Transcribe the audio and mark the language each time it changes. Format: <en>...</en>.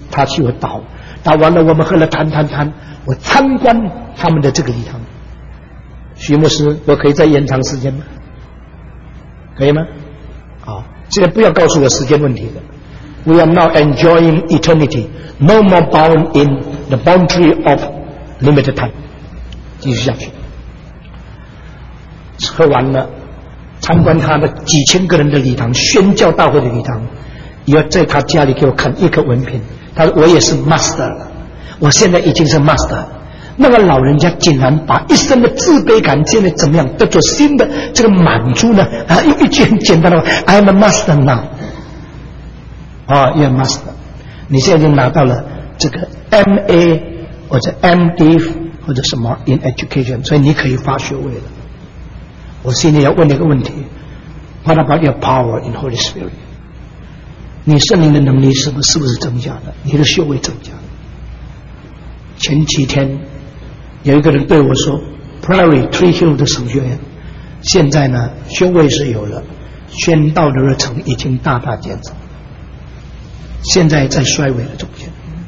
<zh>他去我倒完了，我们喝了谈，我参观他们的这个礼堂，徐牧师，我可以再延长时间吗？可以吗？好，现在不要告诉我时间问题了。</zh> <en>We are now enjoying eternity, no more bound in the boundary of limited time。</en> <zh>继续下去。喝完了，参观他的几千个人的礼堂，宣教大会的礼堂，也要在他家里给我看一颗文凭。他说我也是 master， 我现在已经是 master。那个老人家竟然把一生的自卑感建立怎么样得做新的这个满足呢？啊，用一句很简单的话 ，</zh> <en>I'm a master now。</en> <zh>啊 ，</zh> <en>you're a master，</en> <zh>你现在已经拿到了这个 MA 或者 MD 或者什么 in education， 所以你可以发学位了。我心里要问你一个问题</zh> <en>：What about your power in Holy Spirit？</en> <zh>你圣灵的能力是不是增加的？你的修为增加了？前几天有一个人对我说 ：“Prairie Tree Hill 的神学院，现在呢修为是有了，宣道的热忱已经大大减少，现在在衰微的中间。”</zh>